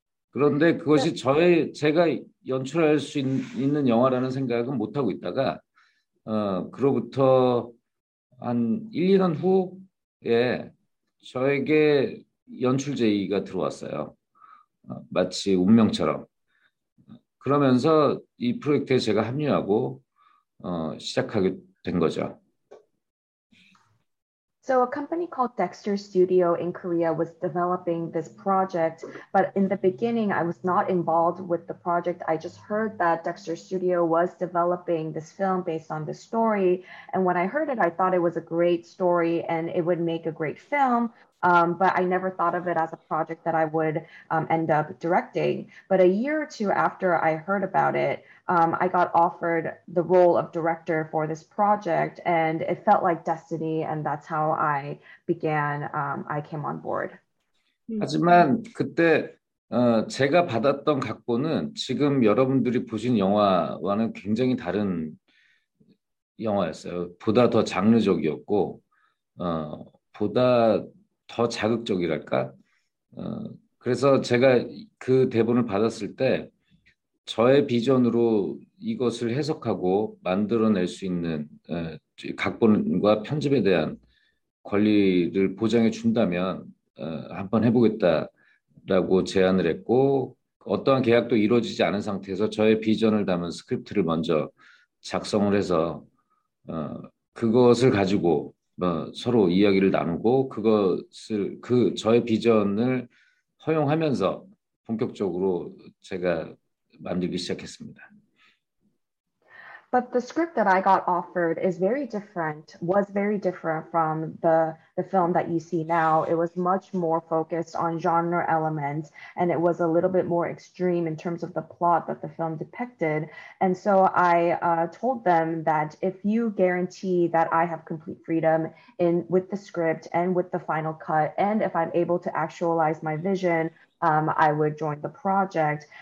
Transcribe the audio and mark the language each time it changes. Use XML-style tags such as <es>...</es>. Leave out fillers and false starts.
<ko>그런데 그것이 제가 연출할 수 있는 영화라는 생각은 못하고 있다가 그로부터 한 1, 2년 후에 저에게 연출 제의가 들어왔어요. 마치 운명처럼. 그러면서 이 프로젝트에 제가 합류하고 시작하게 된 거죠.</ko> <en>So a company called Dexter Studio in Korea was developing this project, but in the beginning, I was not involved with the project. I just heard that Dexter Studio was developing this film based on the story. And when I heard it, I thought it was a great story and it would make a great film. But I never thought of it as a project that I would end up directing. But a year or two after I heard about it, I got offered the role of director for this project, and it felt like destiny, and that's how I began, I came on board.</en> <ko>하지만 그때 제가 받았던 각본은 지금 여러분들이 보신 영화와는 굉장히 다른 영화였어요. 보다 더 장르적이었고, 보다 더 자극적이랄까? 그래서 제가 그 대본을 받았을 때 저의 비전으로 이것을 해석하고 만들어낼 수 있는 각본과 편집에 대한 권리를 보장해 준다면 한번 해보겠다라고 제안을 했고 어떠한 계약도 이루어지지 않은 상태에서 저의 비전을 담은 스크립트를 먼저 작성을 해서 그것을 가지고 서로 이야기를 나누고 그것을 그 저의 비전을 허용하면서 본격적으로 제가 만들기 시작했습니다.</ko> <en>But the script that I got offered was very different from the film that you see now. It was much more focused on genre elements, and it was a little bit more extreme in terms of the plot that the film depicted. And so I told them that if you guarantee that I have complete freedom in with the script and with the final cut, and if I'm able to actualize my vision, I would join the project.</en>